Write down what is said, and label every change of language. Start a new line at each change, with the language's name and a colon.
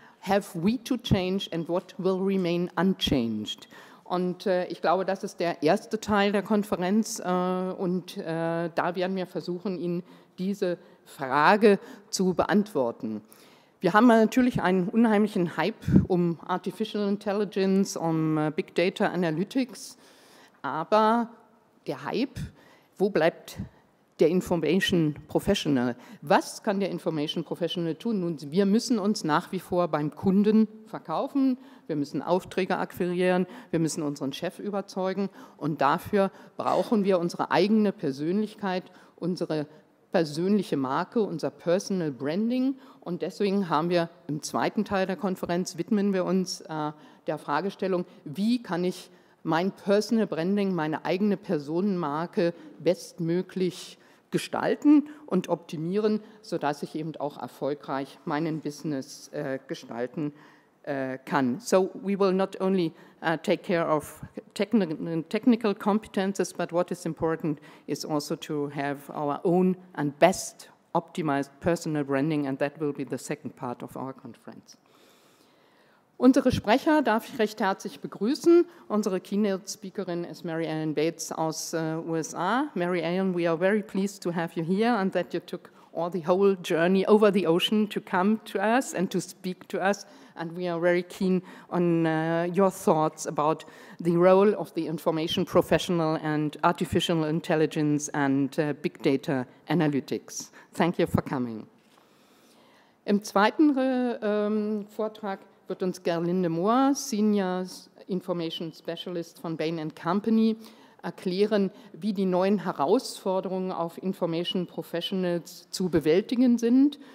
English: Have we to change and what will remain unchanged?
German: Und ich glaube, das ist der erste Teil der Konferenz und da werden wir versuchen, Ihnen diese Frage zu beantworten. Wir haben natürlich einen unheimlichen Hype um Artificial Intelligence, um Big Data Analytics, aber der Hype, wo bleibt der Information Professional? Was kann der Information Professional tun? Nun, wir müssen uns nach wie vor beim Kunden verkaufen, wir müssen Aufträge akquirieren, wir müssen unseren Chef überzeugen und dafür brauchen wir unsere eigene Persönlichkeit, unsere persönliche Marke, unser Personal Branding und deswegen haben wir im zweiten Teil der Konferenz, widmen wir uns der Fragestellung, wie kann ich mein Personal Branding, meine eigene Personenmarke bestmöglich gestalten und optimieren, sodass ich eben auch erfolgreich meinen Business gestalten kann.
English: So we will not only take care of technical competences, but what is important is also to have our own and best optimized personal branding, and that will be the second part of our conference.
German: Unsere Sprecher darf ich recht herzlich begrüßen. Unsere Keynote-Speakerin ist Mary Ellen Bates aus USA.
English: Mary Ellen, we are very pleased to have you here and that you took all the whole journey over the ocean to come to us and to speak to us. And we are very keen on your thoughts about the role of the information professional and artificial intelligence and big data analytics. Thank you for coming.
German: Im zweiten Vortrag wird uns Gerlinde Mohr, Senior Information Specialist von Bain & Company, erklären, wie die neuen Herausforderungen auf Information Professionals zu bewältigen sind.